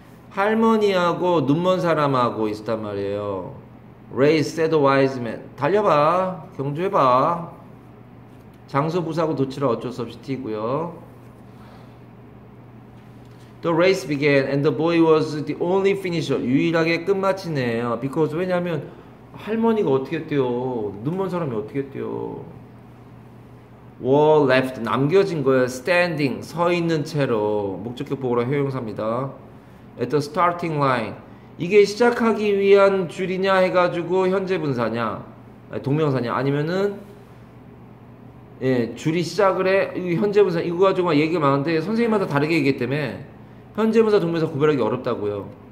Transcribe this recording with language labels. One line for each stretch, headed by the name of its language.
Korean: 할머니하고 눈먼 사람하고 있었단 말이에요.
English: Race said the wise man.
Korean: 달려봐. 경주해봐. 장소 부사하고 도치라 어쩔 수 없이 튀고요.
English: The race began and the boy was the only finisher.
Korean: 유일하게 끝마치네요. Because 왜냐면 할머니가 어떻게 뛰어? 눈먼 사람이 어떻게 뛰어?
English: Wall left
Korean: 남겨진 거야.
English: Standing
Korean: 서 있는 채로 목적격 보호라 형용사입니다.
English: At the starting line
Korean: 이게 시작하기 위한 줄이냐 해가지고 현재 분사냐 동명사냐 아니면은 예 줄이 시작을 해 현재 분사 이거 가지고 막 얘기가 많은데 선생님마다 다르게 얘기 때문에 현재 분사 동명사 구별하기 어렵다고요.